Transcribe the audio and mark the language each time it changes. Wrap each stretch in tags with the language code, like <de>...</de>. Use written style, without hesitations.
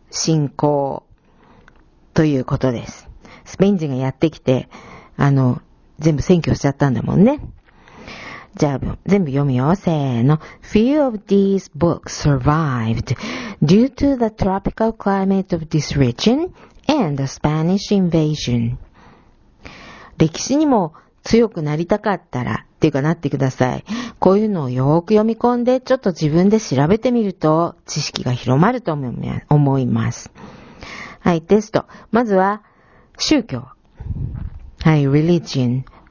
<ja>進行ということです。スペイン人がやってきて、全部占拠しちゃったんだもんね。じゃあ、全部読むよ。せーの。</ja> <en>Few of these books survived due to the tropical climate of this region and the Spanish invasion.</en> <ja>歴史にも強くなりたかったら、っていうかなってください。こういうのをよく読み込んで、ちょっと自分で調べてみると、知識が広まると思います。はい、テスト。まずは、宗教。はい、religion。</ja>